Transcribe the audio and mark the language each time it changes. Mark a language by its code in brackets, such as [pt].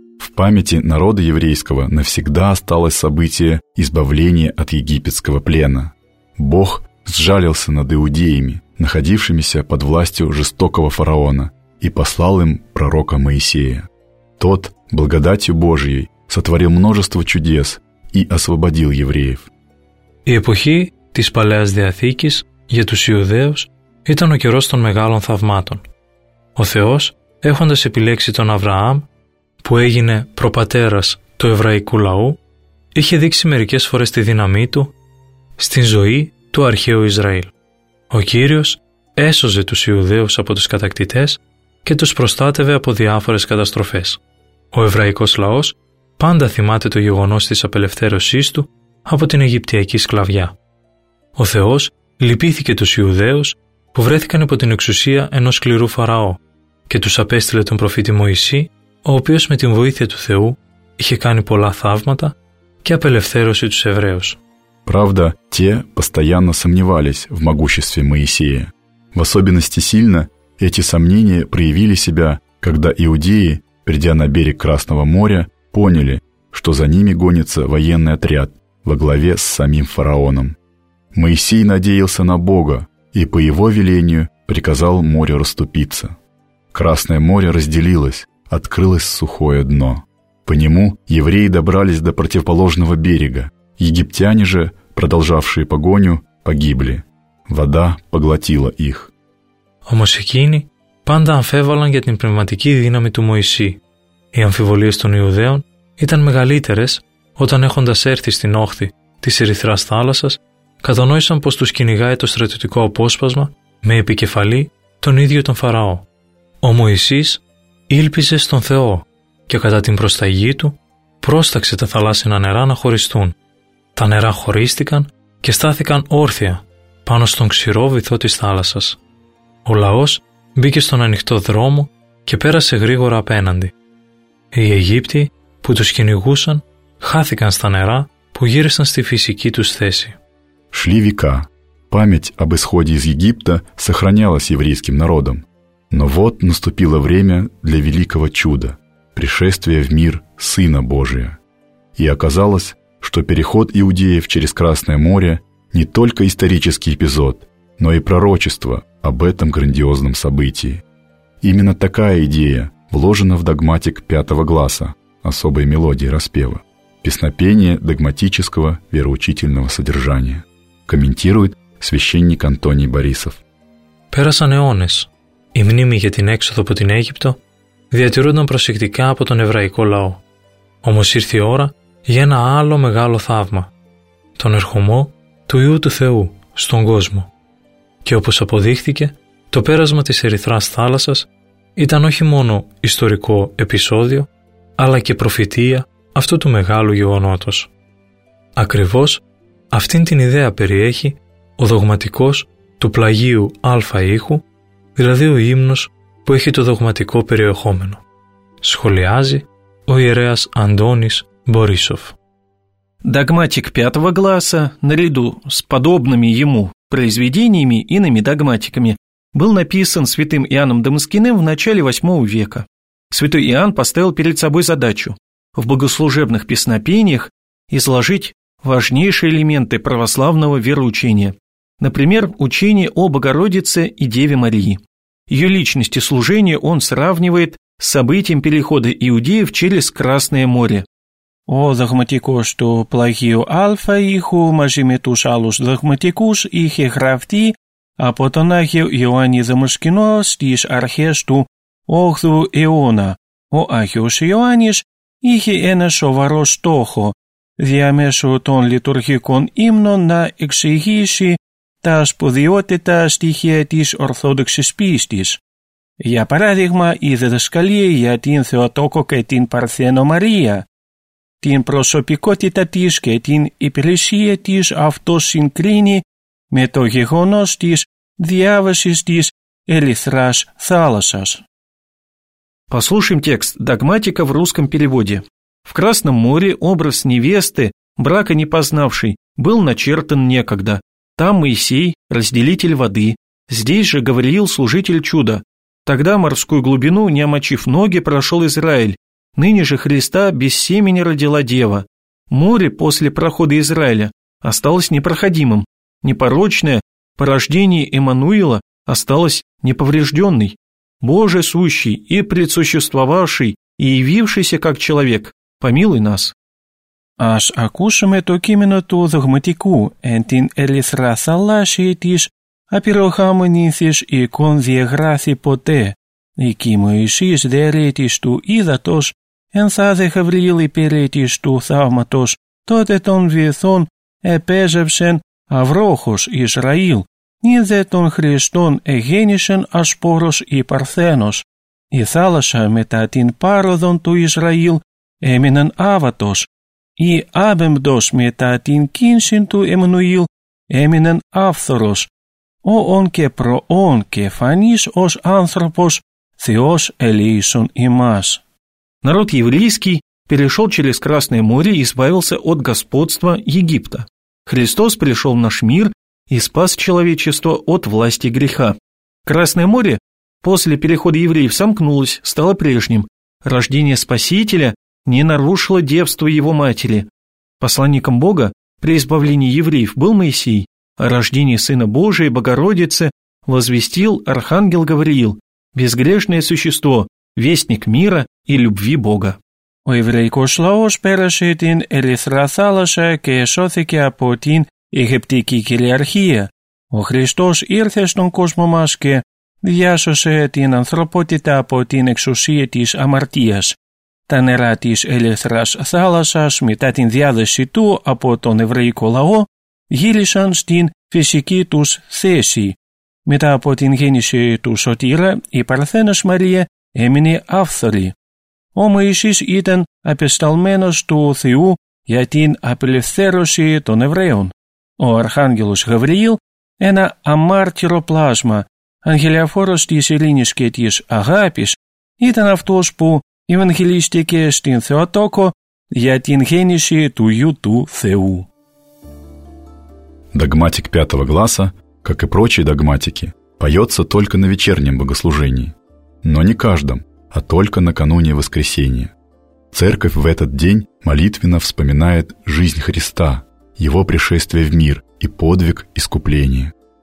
[ru] В памяти народа еврейского навсегда осталось событие избавления от египетского плена. Бог сжалился над иудеями, находившимися под властью жестокого фараона, и послал им пророка Моисея. Тот, благодатью Божией, сотворил множество чудес и освободил евреев. [el] Эпохи της Παλαιάς Διαθήκης για τους Ιουδαίους ήταν ο καιρός των μεγάλων θαυμάτων. Ο Θεός, έχοντας επιλέξει τον Αβραάμ, που έγινε προπατέρας του εβραϊκού λαού, είχε δείξει μερικές φορές τη δύναμή του στην ζωή του αρχαίου Ισραήλ. Ο Κύριος έσωζε τους Ιουδαίους από τους κατακτητές και τους προστάτευε από διάφορες καταστροφές. Ο εβραϊκός λαός πάντα θυμάται το γεγονός της απελευθέρωσής του από την Αιγυπτιακή σκλαβιά. Ο Θεός λυπήθηκε τους Ιουδαίους που βρέθηκαν υπό την εξουσία ενός σκληρού φαραώ και τους απέστειλε τον προφήτη Μωυσή, ο οποίος με την βοήθεια του Θεού είχε κάνει πολλά θαύματα και απελευθέρωσε τους Εβραίους. [ru] Правда, те постоянно сомневались в могуществе Моисея. В особенности сильно эти сомнения проявили себя, когда иудеи, придя на берег Красного моря, поняли, что за ними гонится военный отряд во главе с самим фараоном. Моисей надеялся на Бога и по его велению приказал морю расступиться. Красное море разделилось, открылось сухое дно. По нему евреи добрались до противоположного берега. Египтяне же, продолжавшие погоню, погибли. Вода поглотила их. [el] Όμως εκείνοι πάντα αμφέβαλαν για την πνευματική δύναμη του Μωυσή. Οι αμφιβολίες των Ιουδαίων ήταν μεγαλύτερες όταν, έχοντας έρθει στην όχθη της Ερυθράς Θάλασσας, κατανόησαν πως τους κυνηγάει το στρατιωτικό απόσπασμα με επικεφαλή τον ίδιο τον Φαραώ. Ο Μωυσής ήλπιζε στον Θεό και κατά την προσταγή του πρόσταξε τα θαλάσσινα νερά να χωριστούν. Τα νερά χωρίστηκαν και στάθηκαν όρθια πάνω στον ξηρό βυθό της θάλασσας. Ο λαός μπήκε στον ανοιχτό δρόμο και πέρασε γρήγορα απέναντι. Οι Αιγύπτιοι που τους κυνηγούσαν χάθηκαν στα νερά που γύρισαν στη φυσική τους θέση. [ru] Шли века. Память об исходе из Египта сохранялась еврейским народом. Но вот наступило время для великого чуда – пришествия в мир Сына Божия. И оказалось, что переход иудеев через Красное море – не только исторический эпизод, но и пророчество об этом грандиозном событии. Именно такая идея вложена в догматик пятого гласа – особой мелодии распева – песнопение догматического вероучительного содержания. Комментирует священник Антоний Борисов. [el] Пэрасан эонес. Οι μνήμοι για την έξοδο από την Αίγυπτο διατηρούνταν προσεκτικά από τον εβραϊκό λαό. Όμως ήρθε η ώρα για ένα άλλο μεγάλο θαύμα, τον ερχομό του Υιού του Θεού στον κόσμο. Και όπως αποδείχθηκε, το πέρασμα της Ερυθράς Θάλασσας ήταν όχι μόνο ιστορικό επεισόδιο, αλλά και προφητεία αυτού του μεγάλου γεγονότος. Ακριβώς αυτήν την ιδέα περιέχει ο δογματικός του πλαγίου Αλφα Ήχου, δηλαδή ο ύμνος που έχει το δογματικό περιεχόμενο. Σχολιάζει ο ιερέας Αντώνης Борисов. [ru] Догматик пятого гласа, наряду с подобными ему произведениями иными догматиками, был написан святым Иоанном Дамаскиным в начале VIII века. Святой Иоанн поставил перед собой задачу в богослужебных песнопениях изложить важнейшие элементы православного вероучения, например, учение о Богородице и Деве Марии. Ее личность и служение он сравнивает с событием перехода иудеев через Красное море. [el] О догматикос ту плагию Альфа Иху мажи ме тус алус догматикус ихе гравти апо тон агио Иоанни Дамаскино стис архес ту 8ου αιώνα. Ο Άγιος Ιωάννης είχε ένα σοβαρό στόχο, διαμέσου των ύμνων να εξηγήσει τα σπουδαιότητα στοιχεία της ορθόδοξης πίστης. Για παράδειγμα, η διδασκαλία για την Θεοτόκο και την Παρθένο Μαρία, την προσωπικότητα της και την υπηρεσία της αυτοσυγκρίνει με το γεγονός της διάβασης της Ερυθράς Θάλασσας. [ru] Послушаем текст «Догматика» в русском переводе. В Красном море образ невесты, брака не познавший, был начертан некогда. Там Моисей, разделитель воды, здесь же Гавриил, служитель чуда. Тогда морскую глубину, не омочив ноги, прошел Израиль. Ныне же Христа без семени родила Дева. Море после прохода Израиля осталось непроходимым. Непорочное по рождении Эммануила осталось неповрежденной. Боже сущий и предсуществовавший, и явившийся как человек, помилуй нас. [el] Ας ακούσουμε το κείμενο του δογματικού εν την ερυθρά θαλάσσια της απειροχαμονήθης εικόν διαγράφει ποτέ. Εκεί Μωυσής δέρετης του ύδατος εν θα δε Γαβριήλ υπηρέτης του θαύματος τότε των βυθών επέζευσεν αυρόχος Ισραήλ νυν δε των Χριστών εγέννησεν ασπόρος η Παρθένος. Η θάλασσα μετά την πάροδον του Ισραήλ έμειναν άβατος. Η άβεμπτος μετά την κίνσιν του Εμμανουήλ έμειναν άφθορος. Ο ον και προών και φανής ως άνθρωπος, Θεός ελέησον ημάς. [ru] Народ еврейский перешел через Красное море и избавился от господства Египта. Христос пришел в наш мир и спас человечество от власти греха. Красное море после перехода евреев сомкнулось, стало прежним. Рождение Спасителя не нарушило девство его матери. Посланником Бога при избавлении евреев был Моисей, а рождение Сына Божия и Богородицы возвестил Архангел Гавриил, безгрешное существо, вестник мира и любви Бога. [el] Ο εβραϊκός λαός πέρασε την ερυθρά θάλασσα και σώθηκε από την Αιγυπτική κυριαρχία. Ο Χριστός ήρθε στον κόσμο μας και διάσωσε την ανθρωπότητα από την εξουσία της αμαρτίας. Τα νερά της ερυθράς θάλασσας μετά την διάδεση του από τον εβραϊκό λαό γύρισαν στην φυσική τους θέση. Μετά από την γέννηση του Σωτήρα, η Παρθένος Μαρία έμεινε άφθορη. Ο Μωυσής ήταν απεσταλμένος του Θεού για την απελευθέρωση των Εβραίων. Ο Αρχάγγελος Γαβριήλ, ένα αμάρτυρο πλάσμα, αγγελιαφόρος της ειρήνης και της αγάπης, ήταν αυτός που ευαγγελίστηκε στην Θεοτόκο για την γέννηση του Υιού του Θεού. [ru] Догматик пятого гласа, как и прочие догматики, поется только на вечернем богослужении, но не каждом, а только накануне воскресения. Церковь в этот день молитвенно вспоминает жизнь Христа, Его пришествие в мир и подвиг искупления.